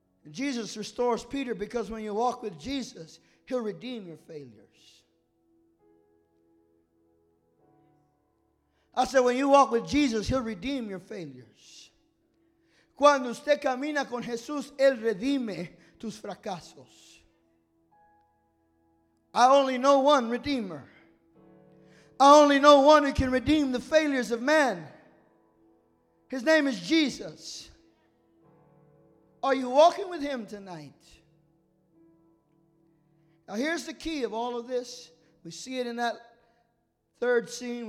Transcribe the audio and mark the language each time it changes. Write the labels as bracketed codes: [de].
[en] Jesus restores Peter because when you walk with Jesus, he'll redeem your failures. I said, when you walk with Jesus, he'll redeem your failures. [es] Cuando usted camina con Jesús, él redime tus fracasos. [en] I only know one redeemer. I only know one who can redeem the failures of man. His name is Jesus. Are you walking with him tonight? Now here's the key of all of this. We see it in that third scene.